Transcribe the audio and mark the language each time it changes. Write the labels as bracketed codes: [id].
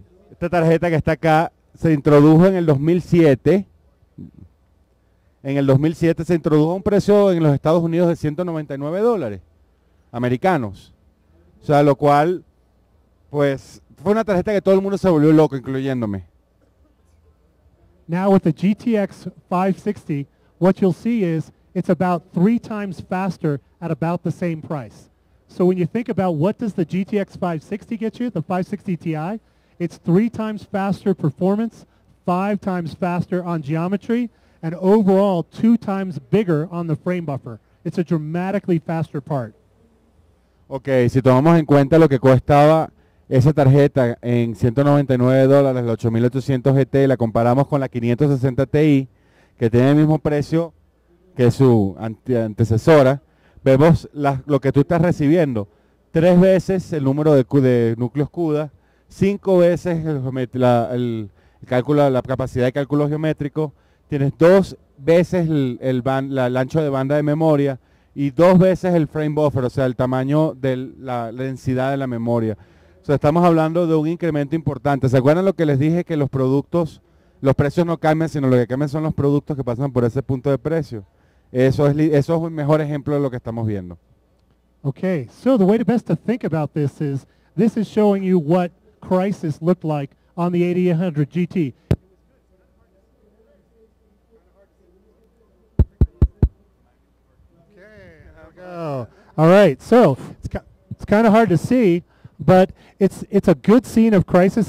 [es] Esta tarjeta que está acá se introdujo en el 2007. En el 2007 se introdujo a un precio en los Estados Unidos de $199 americanos. O sea, lo cual, pues, fue una tarjeta que todo el mundo se volvió loco, incluyéndome. [en] Now with the GTX 560, what you'll see is it's about 3 times faster at about the same price. So when you think about what does the GTX 560 get you, the 560 Ti, it's 3 times faster performance, 5 times faster on geometry, and overall 2 times bigger on the frame buffer. It's a dramatically faster part. [es] Okay, si tomamos en cuenta lo que costaba esa tarjeta en $199, la 8800 GT, la comparamos con la 560 Ti, que tiene el mismo precio que su antecesora, vemos lo que tú estás recibiendo, 3 veces el número de núcleos CUDA, 5 veces el cálculo, la capacidad de cálculo geométrico, tienes 2 veces el ancho de banda de memoria y 2 veces el frame buffer, o sea, el tamaño de la densidad de la memoria. O sea, estamos hablando de un incremento importante. ¿Se acuerdan lo que les dije que los productos, los precios no cambian, sino lo que cambian son los productos que pasan por ese punto de precio? Eso es un mejor ejemplo de lo que estamos viendo. [en] Okay, so the way to best to think about this is showing you what crisis looked like on the 8800 GT. Okay, here we go. All right, so it's kind of hard to see, but it's a good scene of crisis.